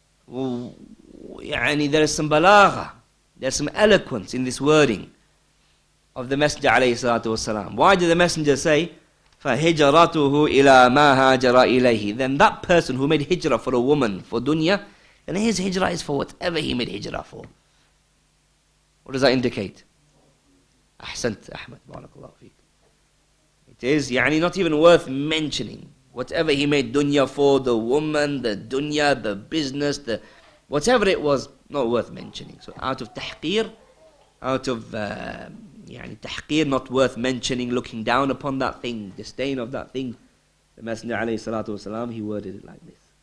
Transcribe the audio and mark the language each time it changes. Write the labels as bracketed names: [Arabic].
[English] يعني, there is some balagha, there's some eloquence in this wording of the Messenger [Arabic] عليه الصلاة والسلام. [English] Why did the Messenger say, [Arabic] فَهِجْرَتُهُ إِلَى مَا هَاجَرَ إِلَيْهِ, [English] then that person who made hijrah for a woman, for dunya, then his hijrah is for whatever he made hijrah for. What does that indicate? [Arabic] أحسنت أحمد, بارك الله فيك. [English] It is, يعني, not even worth mentioning. Whatever he made dunya for, the woman, the dunya, the business, the whatever it was, not worth mentioning. So out of tahqir, out of tahqir, not worth mentioning, looking down upon that thing, disdain of that thing, the Messenger alayhi salatu wasalam, he worded it like this.